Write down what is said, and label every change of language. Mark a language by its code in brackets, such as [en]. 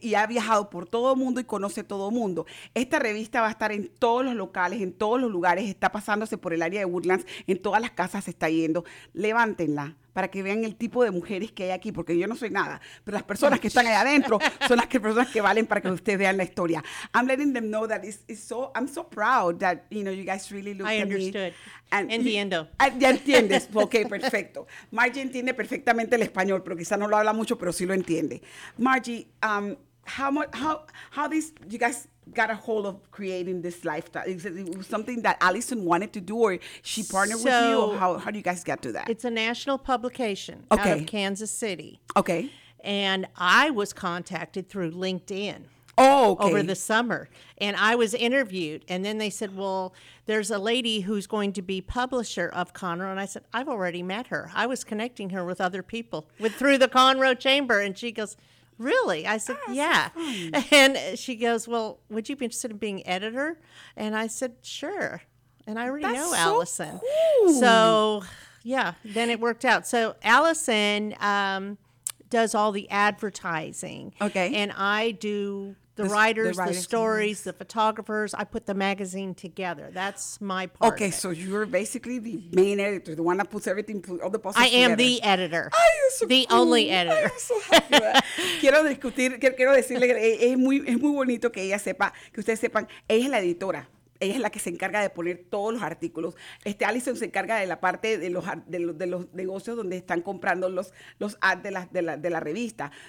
[es] Y ha viajado por todo el mundo y conoce todo el mundo. Esta revista va a estar en todos los locales, en todos los lugares. Está pasándose por el área de Woodlands, en todas las casas está yendo, levántenla para que vean el tipo de mujeres que hay aquí, porque yo no soy nada, pero las personas que están allá adentro son las personas que valen para que ustedes vean la historia. [en] I'm letting them know that I'm so proud that, you know, you guys really looked at me. I understood. [es] Entiendo. Ya entiendes. Ok, perfecto. Margie entiende perfectamente el español, pero quizá no lo habla mucho, pero sí lo entiende. [en] Margie, how this, you guys got a hold of creating this lifestyle? Is it something that Allison wanted to do, or she partnered with you? How do you guys get to that? It's a national publication okay. out of Kansas City. Okay. And I was contacted through LinkedIn over the summer. And I was interviewed. And then they said, well, there's a lady who's going to be publisher of Conroe. And I said, I've already met her. I was connecting her with other people through the Conroe Chamber. And she goes, really? I said, yeah. And she goes, well, would you be interested in being editor? And I said, sure. And I already know Allison. So, yeah, then it worked out. So Allison does all the advertising. Okay. And I do the writers, the stories, the photographers. I put the magazine together. That's my part. Okay, so you're basically the main editor, the one that puts everything, all the posts together. I am the editor. [es] Ay, es [en] the cool. only editor. [es] Ay, es [en] so happy. [es] quiero decirle que es muy bonito que ella sepa, que ustedes sepan, ella es la editora. Ella es la que se encarga de poner todos los artículos. Allison se encarga de la parte de los negocios donde están comprando los ads de la revista.